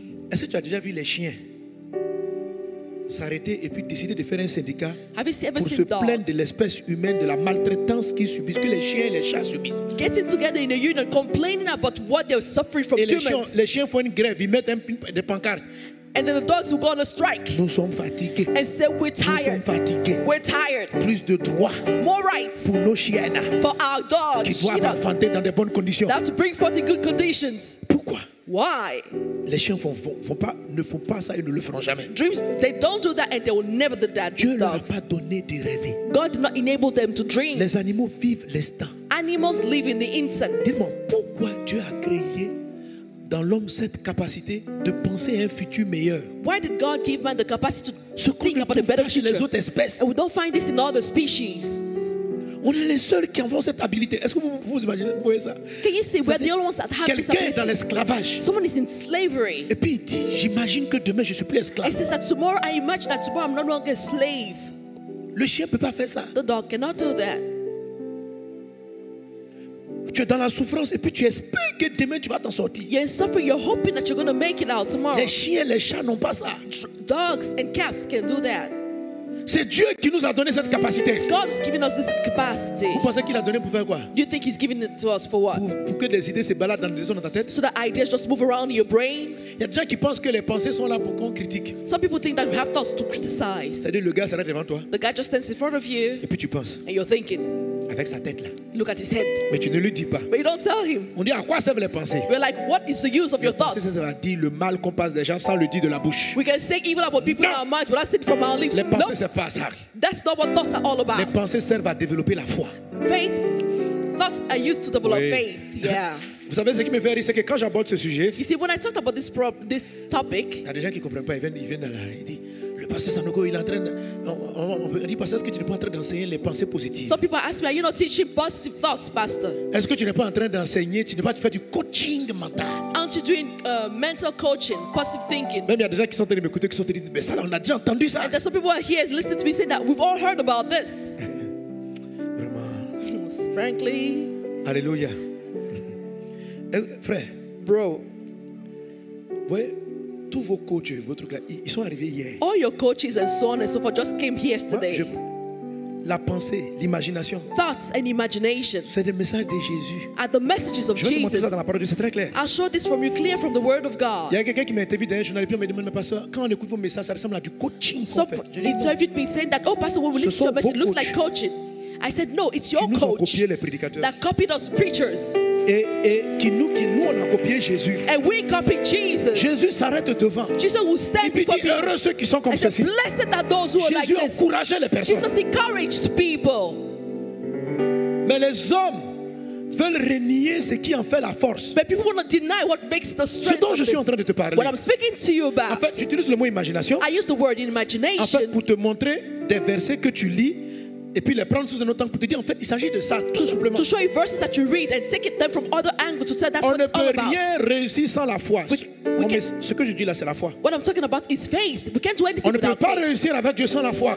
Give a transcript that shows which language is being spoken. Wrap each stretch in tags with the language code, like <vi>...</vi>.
<fr>Est-ce que tu as déjà vu les chiens s'arrêter et puis décider de faire un syndicat pour se plaindre de l'espèce humaine, de la maltraitance qu'ils subissent, que les chiens et les chats subissent.</fr> <en>Getting together in a union, complaining about what they're suffering from</en> <fr>et</fr> <en>humans.</en> <fr>Les chiens font une grève, ils mettent des pancartes.</fr> <en>And then the dogs will go on a strike.</en> <fr>Nous sommes fatigués.</fr> <en>And say we're tired.</en> <fr>Nous sommes fatigués.</fr> <en>We're tired.</en> <fr>Plus de droits.</fr> <en>More rights.</en> <fr>Pour nos chiennes.</fr> <en>For our dogs.</en> <fr>Qui doivent enfanter dans des bonnes conditions.</fr> <en>They have to bring forth in good conditions.</en> <fr>Pourquoi?</fr> <en>Why?</en> <fr>Les chiens ne font pas ça et ne le feront jamais.</fr> <en>Dreams, they don't do that and they will never do that.</en> <fr>Dieu leur a pas donné de rêver.</fr> <en>God did not enable them to dream.</en> <fr>Les animaux vivent l'instant.</fr> <en>Animals live in the instant.</en> <fr>Dis-moi, pourquoi Dieu a créé dans l'homme cette capacité de penser à un futur meilleur?</fr> <en>Why did God give man the capacity to think about a better future?</en> <fr>Ce qu'on ne trouve pas chez les autres espèces.</fr> <en>And we don't find this in other species.</en> <fr>On est les seuls qui avons cette habilité. Est-ce que vous imaginez, vous voyez ça?</fr> <en>Can you see, we're the only ones that have</en> <fr>quelqu'un</fr> <en>this ability.</en> <fr>Est dans l'esclavage.</fr> <en>Someone is in slavery.</en> <fr>Et puis il dit, j'imagine que demain je ne suis plus esclave.</fr> <en>He says that tomorrow, I imagine that tomorrow I'm no longer a slave.</en> <fr>Le chien ne peut pas faire ça.</fr> <en>The dog cannot do that.</en> <fr>Tu es dans la souffrance et puis tu espères que demain tu vas t'en sortir.</fr> <en>You're in suffering, you're hoping that you're going to make it out tomorrow.</en> <fr>Les chiens, les chats n'ont pas ça.</fr> <en>Dogs and cats can do that.</en> <fr>C'est Dieu qui nous a donné cette capacité.</fr> <en>God's given us this capacity.</en> <fr>Vous pensez qu'il a donné pour faire quoi?</fr> <en>You think he's giving it to us for what?</en> <fr>Pour que des idées se baladent dans les zones de ta tête?</fr> <en>So that ideas just move around in your brain.</en> <fr>Il y a des gens qui pensent que les pensées sont là pour qu'on critique.</fr> <en>Some people think that we have thoughts to criticize.</en> <fr>C'est-à-dire le gars s'arrête devant toi.</fr> <en>The guy just stands in front of you.</en> <fr>Et puis tu penses.</fr> <en>And you're thinking.</en> <fr>Avec sa tête là.</fr> <en>Look at his head.</en> <fr>Mais tu ne lui dis pas.</fr> <en>But you don't tell him.</en> <fr>On dit à quoi servent les pensées?</fr> <en>We're like, what is the use of</en> <fr>les</fr> <en>your thoughts?</en> <fr>Pensées, c'est ça, dire le mal qu'on passe des gens sans le dire de la bouche.</fr> <en>We can say evil about people in our minds, but that's it from our lips.</en> <fr>Les pensées, nope. C'est pas ça.</fr> <en>That's not what thoughts are all about.</en> <fr>Les pensées servent à développer la foi.</fr> <en>Faith. Thoughts are used to develop oui. Faith. Yeah.</en> <fr>Vous savez ce qui me fait rire, c'est que quand j'aborde ce sujet,</fr> <en>you see, when I talk about this topic,</en> <fr>il y a des gens qui comprennent pas. Ils viennent là, ils disent. Pasteur Sanogo, il entraîne. On dit, pasteur, est-ce que tu n'es pas en train d'enseigner les pensées positives?</fr> <en>Some people ask me, are you not teaching positive thoughts, pastor?</en> <fr>Est-ce que tu n'es pas en train d'enseigner? Tu n'es pas en train de faire du coaching mental?</fr> <en>Aren't you doing mental coaching, positive thinking?</en> <fr>Même il y a des gens qui sont en train de m'écouter, qui sont en train de dire, mais ça, on a déjà entendu ça.</fr> <en>And there's some people are here listening to me saying that we've all heard about this.</en> <fr>Vraiment.</fr> <en>Frankly.</en> <fr>Alléluia. Frère. Bro. Oui. Tous vos coachs, vos trucs là, ils sont arrivés hier.</fr> <en>All your coaches and so on and so forth just came here yesterday.</en> <fr>Moi, la pensée, l'imagination.</fr> <en>Thoughts and imagination.</en> <fr>C'est le message de Jésus.</fr> <en>Are the messages of</en> <fr>je Je vais vous montrer dans la parole de Dieu, c'est très clair.</fr> <en>I'll show this from you clear from the word of God.</en> <fr>Il y a quelqu'un qui m'a interviewé dans un journal et puis on me demande, pasteur, quand on écoute vos messages, ça ressemble à du coaching.</fr> <en>So he interviewed me saying that, oh pastor, when we listen to your message, it looks like coaching. I said, no, it's your</en> <fr>qui</fr> <en>coach.</en> <fr>Nous copié les prédicateurs.</fr> <en>That copied us preachers.</en> <fr>Et qui nous on a copié Jésus.</fr> <en>And we copied Jesus.</en> <fr>Jésus s'arrête devant.</fr> <en>Jesus will stand before people.</en> <fr>Il dit heureux ceux qui sont comme ceci.</fr> <en>Blessed are those who are like this.</en> <fr>Jésus encourageait les personnes.</fr> <en>Jesus encouraged people.</en> <fr>Mais les hommes veulent renier ce qui en fait la force.</fr> <en>But people want to deny what makes the strength.</en> <fr>Ce dont je suis en train de te parler.</fr> <en>What I'm speaking to you about.</en> <fr>En fait, j'utilise le mot imagination.</fr> <en>I use the word imagination.</en> <fr>En fait, pour te montrer des versets que tu lis. et puis les prendre sous un autre angle pour te dire en fait il s'agit de ça tout simplement.</fr> <en>To show you verses that you read and take it then from other angles to tell that's</en> <fr>on</fr> <en>what it's all about.</en> <fr>On ne peut rien réussir sans la foi. Ce que je dis là c'est la foi.</fr> <en>What I'm talking about is faith. We can't do anything without faith.</en> <fr>On ne peut pas réussir avec Dieu sans la foi.</fr>